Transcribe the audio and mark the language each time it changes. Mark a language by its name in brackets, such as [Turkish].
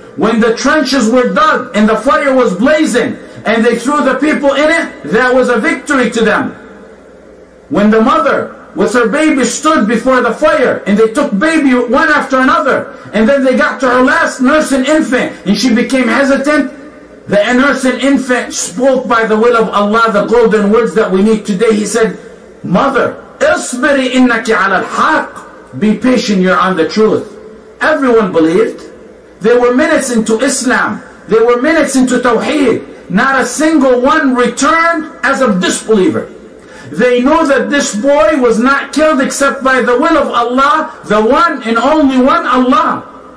[English] When the trenches were dug and the fire was blazing and they threw the people in it, that was a victory to them. When the mother with her baby stood before the fire and they took baby one after another and then they got to her last nursing infant and she became hesitant, The innocent infant spoke by the will of Allah, the golden words that we need today. [Arabic] He said, Mother, اصبري إنك على الحق. [English] Be patient, you're on the truth. Everyone believed. They were minutes into Islam. They were minutes into Tawheed. Not a single one returned as a disbeliever. They know that this boy was not killed except by the will of Allah, the one and only one, Allah.